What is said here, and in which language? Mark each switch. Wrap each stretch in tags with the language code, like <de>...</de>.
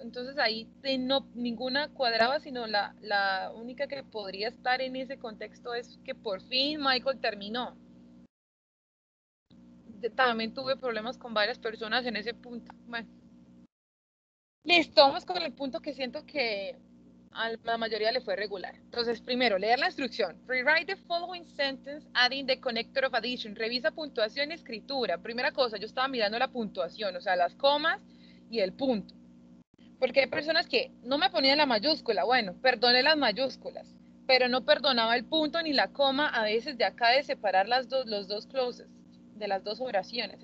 <es>Entonces ahí no, ninguna cuadraba, sino la única que podría estar en ese contexto es que por fin Michael terminó. También tuve problemas con varias personas en ese punto. Bueno. Listo, vamos con el punto que siento que a la mayoría le fue regular. Entonces, primero, leer la instrucción.</es> <en>Rewrite the following sentence adding the connector of addition.</en> <es>Revisa puntuación y escritura. Primera cosa, yo estaba mirando la puntuación, o sea, las comas y el punto. Porque hay personas que no me ponían la mayúscula. Bueno, perdone las mayúsculas, pero no perdonaba el punto ni la coma a veces de acá de separar los dos clauses de las dos oraciones.</es>